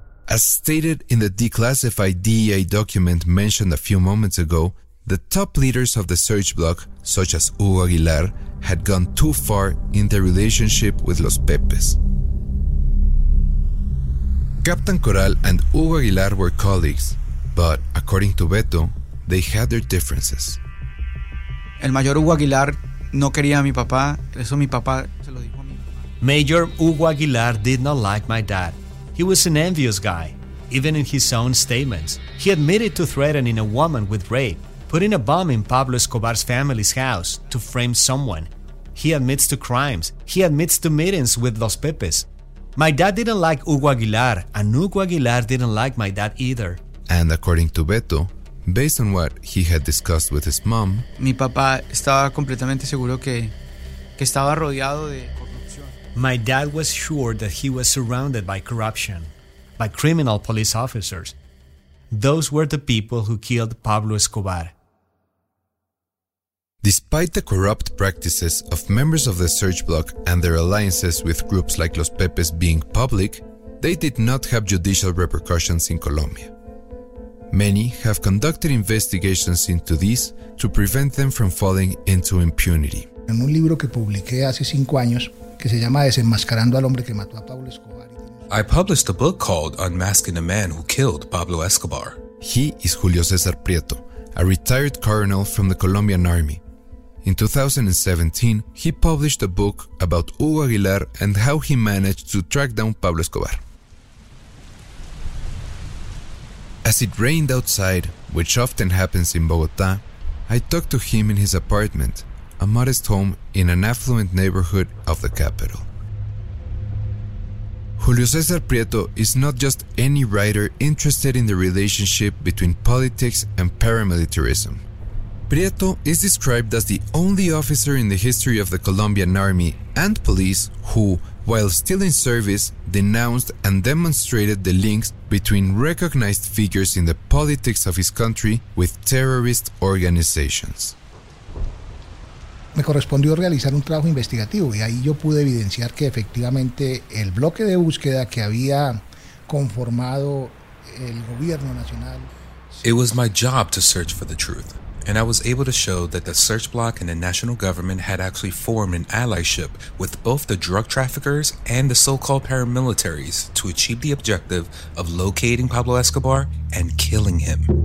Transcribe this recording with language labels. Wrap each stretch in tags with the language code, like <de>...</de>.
<en>As stated in the declassified DEA document mentioned a few moments ago, the top leaders of the search block, such as Hugo Aguilar, had gone too far in their relationship with Los Pepes. Captain Corral and Hugo Aguilar were colleagues, but according to Beto, they had their differences.</en> <es>El mayor Hugo Aguilar no quería a mi papá, eso mi papá se lo dijo a mi papá.</es> <en>Major Hugo Aguilar did not like my dad. He was an envious guy, even in his own statements. He admitted to threatening a woman with rape, putting a bomb in Pablo Escobar's family's house to frame someone. He admits to crimes. He admits to meetings with Los Pepes. My dad didn't like Hugo Aguilar, and Hugo Aguilar didn't like my dad either. And according to Beto, based on what he had discussed with his mom,</en> <es>mi papá estaba completamente seguro que estaba rodeado de corrupción.</es> <en>My dad was sure that he was surrounded by corruption, by criminal police officers. Those were the people who killed Pablo Escobar. Despite the corrupt practices of members of the search block and their alliances with groups like Los Pepes being public, they did not have judicial repercussions in Colombia. Many have conducted investigations into this to prevent them from falling into impunity.</en> <es>En un libro que publiqué hace 5 años, que se llama Desenmascarando al hombre que mató a Pablo Escobar.</es> <en>I published a book called Unmasking the Man Who Killed Pablo Escobar. He is Julio César Prieto, a retired colonel from the Colombian Army. In 2017, he published a book about Hugo Aguilar and how he managed to track down Pablo Escobar. As it rained outside, which often happens in Bogotá, I talked to him in his apartment, a modest home in an affluent neighborhood of the capital. Julio César Prieto is not just any writer interested in the relationship between politics and paramilitarism. Prieto is described as the only officer in the history of the Colombian army and police who, while still in service, denounced and demonstrated the links between recognized figures in the politics of his country with terrorist organizations.</en> <es>Me correspondió realizar un trabajo investigativo y ahí yo pude evidenciar que efectivamente el bloque de búsqueda que había conformado el gobierno nacional.</es> <en>It was my job to search for the truth, and I was able to show that the search bloc and the national government had actually formed an allyship with both the drug traffickers and the so-called paramilitaries to achieve the objective of locating Pablo Escobar and killing him.</en>